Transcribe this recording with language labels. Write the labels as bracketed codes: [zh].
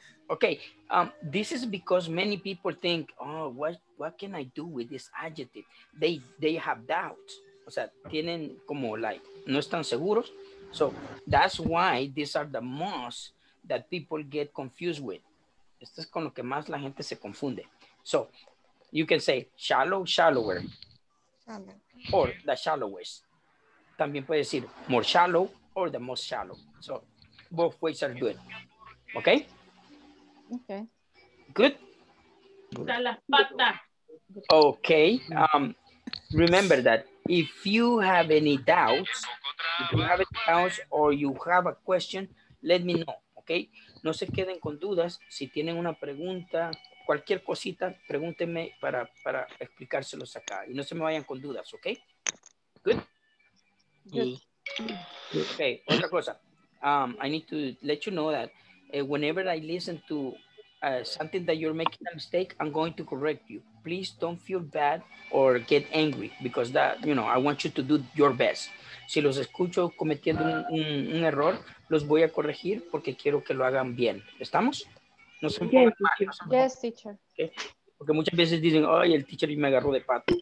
[en] okay, this is because many people think, oh, what can I do with this adjective? They have doubts. [es] O sea, tienen como like, no están seguros. [en] So that's why these are the most that people get confused with. [es] Esto es con lo que más la gente se confunde. [en] So you can say shallow, shallower. Shallow. Or the shallowest. [es] También puede decir [en] more shallow or the most shallow. So both ways are good. Okay? Okay. Good. Okay. Remember that if you have any doubts, if you have any doubts or you have a question, let me know. [es] Okay. No se queden con dudas. Si tienen una pregunta, cualquier cosita, pregúntenme para explicárselos acá. Y no se me vayan con dudas. Okay. [en] Good. [es] Good. Okay. Otra cosa. [en] I need to let you know that whenever I listen to something that you're making a mistake, I'm going to correct you. Please don't feel bad or get angry because that, you know, I want you to do your best. [es] Si los escucho cometiendo un error, los voy a corregir porque quiero que lo hagan bien. ¿Estamos? No se pongan mal. [en] Yes, teacher. Okay. [es] Porque muchas veces dicen, ay, el teacher me agarró de pato.